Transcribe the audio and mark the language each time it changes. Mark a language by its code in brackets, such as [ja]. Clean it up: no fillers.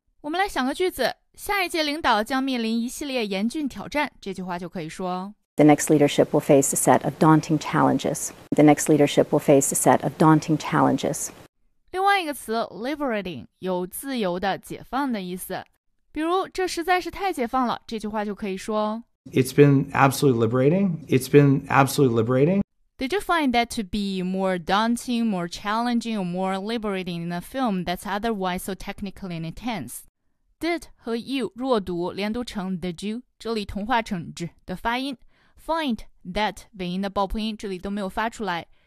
[zh] 我们来想个句子，下一届领导将面临一系列严峻挑战，这句话就可以说。 [en] The next leadership will face a set of daunting challenges. The next leadership will face a set of daunting challenges. [zh] 另外一个词 liberating, 有自由的，解放的意思。比如这实在是太解放了，这句话就可以说 [en] It's been absolutely liberating. It's been absolutely liberating. Did you find that to be more daunting, more challenging, or more liberating in a film that's otherwise so technically intense? [zh] Did 和 you 弱读连读成 [en] did you, [zh] 这里同化成 z 的发音。 [en] Find that [zh] 尾音的爆破音这里都没有发出来。